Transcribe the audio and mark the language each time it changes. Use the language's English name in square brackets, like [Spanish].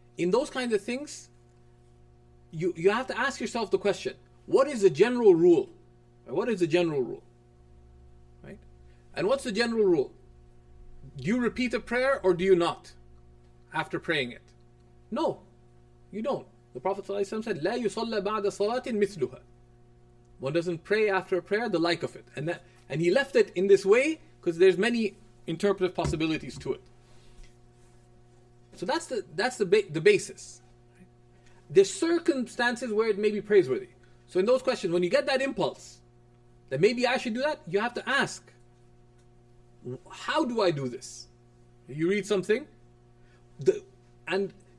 [English] In those kinds of things, you have to ask yourself the question, what is the general rule? What is the general rule? Right? And what's the general rule? Do you repeat a prayer or do you not after praying it? No, you don't. The Prophet ﷺ said, [Arabic] لَا يُصَلَّ بَعْدَ صَلَاتٍ مِثْلُهَا. [English] One doesn't pray after a prayer the like of it. And he left it in this way because there's many interpretive possibilities to it. So that's the basis. There's circumstances where it may be praiseworthy. So in those questions, when you get that impulse that maybe I should do that, you have to ask, how do I do this? You read something, and